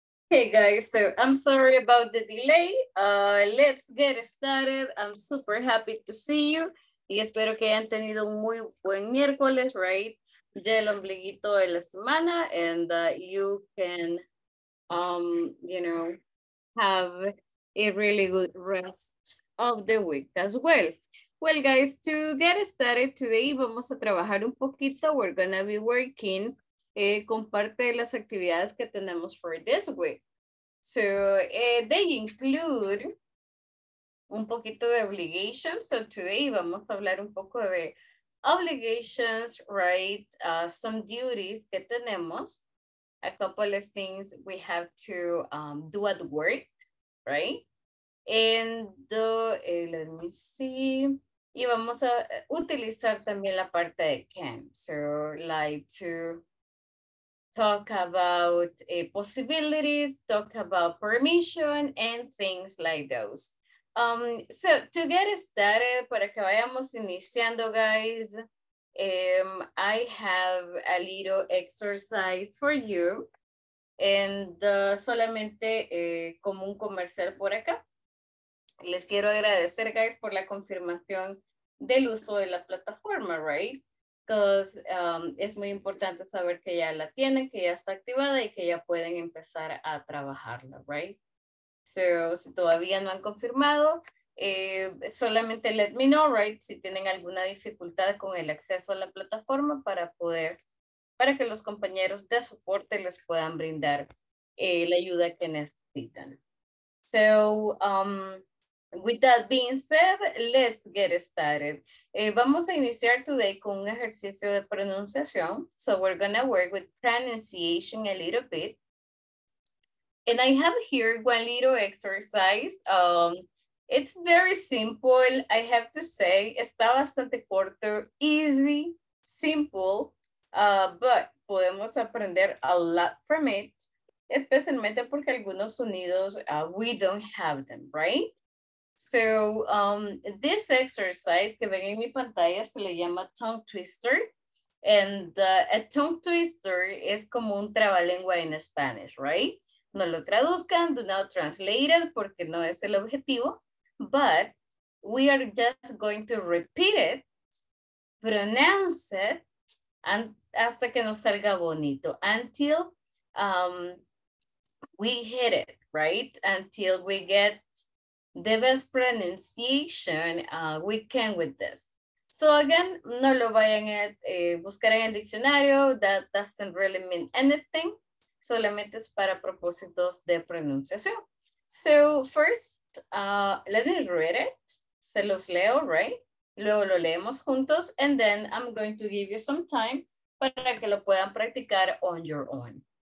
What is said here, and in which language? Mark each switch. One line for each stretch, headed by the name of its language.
English: Hey guys, so I'm sorry about the delay. Let's get started. I'm super happy to see you.
Spanish: Y espero que hayan tenido un muy buen miércoles, right? Ya el ombliguito de la semana,
English: and you can, you know, have a really good rest of the week as well. Well, guys, to get started today,
Spanish: vamos a trabajar un poquito.
English: We're gonna be working
Spanish: con parte de las actividades que tenemos
English: for this week. So they include
Spanish: un poquito de
English: obligations. So today
Spanish: vamos a hablar un poco de obligations, right?
English: Some duties
Spanish: que tenemos.
English: A couple of things we have to do at work, right? And let me see.
Spanish: Y vamos a utilizar también la parte de can.
English: So like to talk about possibilities, talk about permission, and things like those. So to get started,
Spanish: para que vayamos iniciando,
English: guys, I have a little exercise for you.
Spanish: And solamente como un comercial por acá. Les quiero agradecer, guys, por la confirmación del uso de la plataforma, right? Entonces, es muy importante saber que ya la tienen, que ya está activada y que ya pueden empezar a trabajarla, right? So, si todavía no han confirmado, solamente
English: let me know,
Spanish: right? Si tienen alguna dificultad con el acceso a la plataforma para que los compañeros de soporte les puedan brindar la ayuda que necesitan.
English: So, with that being said, let's get started.
Spanish: Vamos a iniciar today con un ejercicio de pronunciación.
English: So we're gonna work with pronunciation a little bit. And I have here one little exercise. It's very simple, I have to say.
Spanish: Está bastante corto,
English: easy, simple, but
Spanish: podemos aprender
English: a lot from it,
Spanish: especialmente porque algunos sonidos,
English: we don't have them, right? So, this exercise
Spanish: que ven en mi pantalla se le llama tongue twister.
English: And a tongue twister
Spanish: es como un trabalengua
English: in Spanish, right?
Spanish: No lo traduzcan,
English: do not translate it
Spanish: porque no es el objetivo.
English: But we are just going to repeat it, pronounce it, and
Spanish: hasta que nos salga bonito,
English: until we hit it, right? Until we get the best pronunciation we can with this. So again,
Spanish: no lo vayan a buscar en el diccionario.
English: That doesn't really mean anything.
Spanish: Solamente es para propósitos de pronunciación.
English: So first, let me read it,
Spanish: se los leo,
English: right?
Spanish: Luego lo leemos juntos,
English: and then I'm going to give you some time
Spanish: para que lo puedan practicar
English: on your own.